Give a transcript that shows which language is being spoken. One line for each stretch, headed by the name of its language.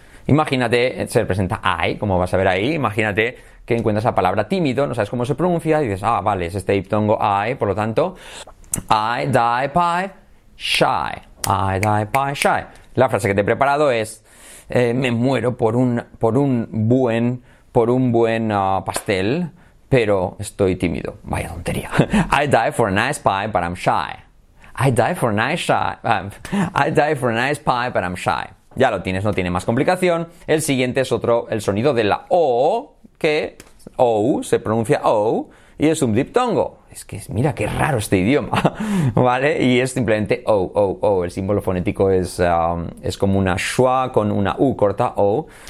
Spanish: Imagínate, se presenta I, como vas a ver ahí, imagínate que encuentras la palabra tímido, no sabes cómo se pronuncia, y dices, ah, vale, es este diptongo I, por lo tanto, I, die, pie.
English: Shy, I die by shy.
Spanish: La frase que te he preparado es me muero por un buen pastel, pero estoy tímido. Vaya tontería.
English: I die for a nice pie, but I'm shy. I die for a nice shy. I die for a nice pie, but I'm shy.
Spanish: Ya lo tienes, no tiene más complicación. El siguiente es otro, el sonido de la O, que O se pronuncia O y es un diptongo. Es que mira qué raro este idioma, ¿vale? Y es simplemente o. El símbolo fonético es como una schwa con una u corta, o.